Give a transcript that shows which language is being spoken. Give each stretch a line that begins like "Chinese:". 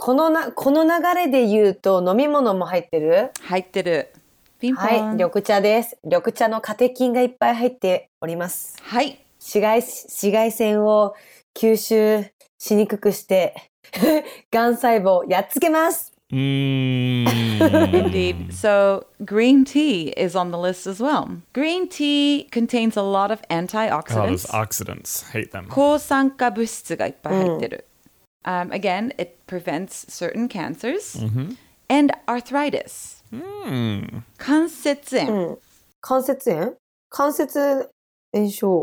Japanese: この流れで言うと飲み物も入ってる？入ってる。ピンポン。はい、緑茶です。緑茶のカテキンがいっぱい入っております。はい。紫外線を吸収しにくくしてがん細胞やっつけます。
English: Indeed. So green tea is on the list as well. Green tea contains a lot of antioxidants. Oh, oxidants. Hate them.
Japanese: 抗酸化物質がいっぱい入ってる。
English: Again, it prevents certain cancers and arthritis.
Japanese: 関節炎。関節炎？関節炎症